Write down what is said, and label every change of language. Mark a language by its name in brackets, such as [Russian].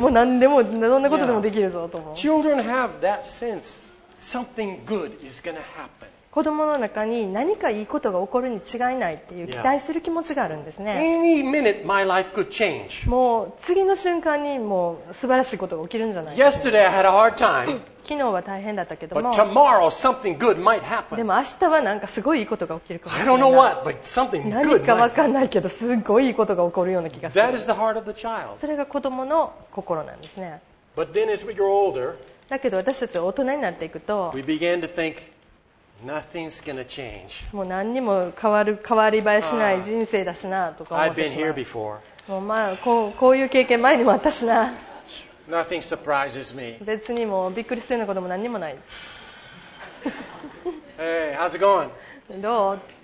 [Japanese] もう何でもどんなことでもできるぞと思う。 [English] Children have that sense. Something good is going to happen. [Japanese] 子供の中に何かいいことが起こるに違いないっていう期待する気持ちがあるんですね。 [English] Any minute my life could change. [Japanese] もう次の瞬間にもう素晴らしいことが起きるんじゃないか。 [English] Yesterday I had a hard time. [Japanese] 昨日は大変だったけども。 [English] But tomorrow something good might happen. [Japanese] でも明日はなんかすごいいいことが起きるかもしれない。 [English] I don't know what, but something good might happen. [Japanese] 何かわかんないけどすごいいいことが起こるような気がする。 [English] That is the heart of the child. [Japanese] それが子供の心なんですね。 [English] But then as we grow older, [Japanese] だけど私たちは大人になっていくと、 [English] we began to think nothing's gonna change. [Japanese] もう何にも変わり映えしない人生だしなとか思う。 [English] I've been here before. [Japanese] もうまあこういう経験前にもあったしな。 [English] Nothing surprises me. [Japanese] 別にもびっくりするようなことも何にもない。 [English] Hey, how's it going? [Japanese] どう？